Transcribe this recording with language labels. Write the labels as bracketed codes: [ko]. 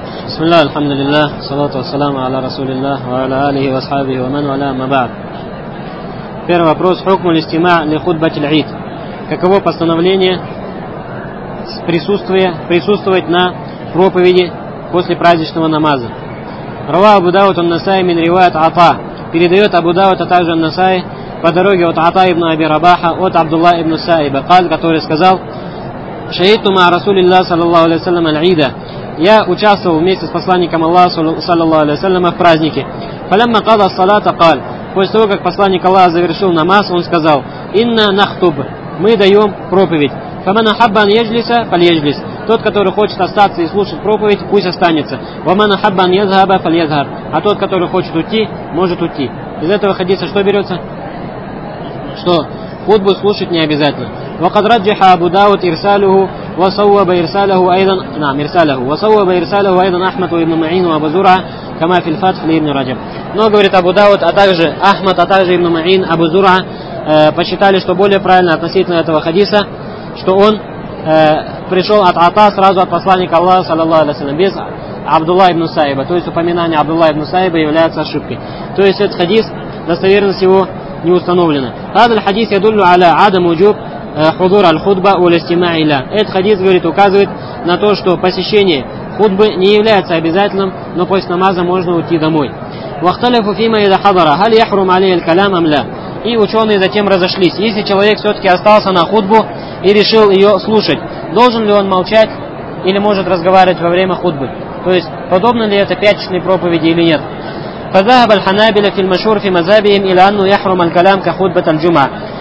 [ar] بسم الله الحمد لله والصلاة والسلام على رسول الله وعلى آله وصحبه ومن ولا ما بعد. [ru] Первый вопрос. [ar] حكم الاستماع لخطبة العيد. [ru] Каково постановление присутствовать на проповеди после праздничного намаза? [ar] Рава Абу Дауд ан-Насаи мин ривайат Ата. [ru] Передает Абу Дауд, а также ан-Насаи, по дороге от Ата ибн Аби Рабаха от Абдулла ибн Саиба, который сказал: [ar] «Шаиту маа Расулиллах саллаллаху алейхи ва саллям аль-Ида». [ru] Я участвовал вместе с посланником Аллаха саллаллаху алейхи ва саллям в празднике. [ar] «Фалямма кала салата каль». [ru] После того, как посланник Аллаха завершил намаз, он сказал: [ar] «Инна нахтуб». [ru] Мы даем проповедь. [ar] «Фаман ахаббан еджлиса фаль еджлис». [ru] Тот, который хочет остаться и слушать проповедь, пусть останется. [ar] «Ваман ахаббан язгаба фаль язгар». [ru] А тот, который хочет уйти, может уйти. Из этого хадиса что берется? Что хутбу слушать не обязательно. [ar] وقد رجح أبو داود إرساله وصوب إرساله أيضا نعم إرساله وصوب إرساله أيضا أحمد وابن معين وأبو زرعة كما في الفتح لابن رجب. [ru] Но говорит Абу Дауд, а также Ахмад, а также Ибн Маин, Абу Зурра посчитали, что более правильно относительно этого хадиса, что он пришел от Ата, сразу от посланника Аллаха саллаллаху алейхи ва саллям, без Абдулла ибн Саиба. То есть упоминание Абдулла ибн Саиба является ошибкой. То есть этот хадис, достоверность его не установлена. [ar] هذا الحديث يدل على عدم وجوب حضور الخطبة والاستماع إلى. [ru] Этот хадис говорит, указывает на то, что посещение хутбы не является обязательным, но после намаза можно уйти домой. [ar] واختلفوا فيما إذا حضر هل يحرم عليه الكلام أم لا. [ru] И ученые затем разошлись. Если человек все-таки остался на хутбу и решил ее слушать, должен ли он молчать или может разговаривать во время хутбы? То есть подобно ли это пяточной проповеди или нет? [ar] فذهب الحنابلة في المشهور في مذهبهم إلى أنه يحرم الكلام كخطبة الجمعة.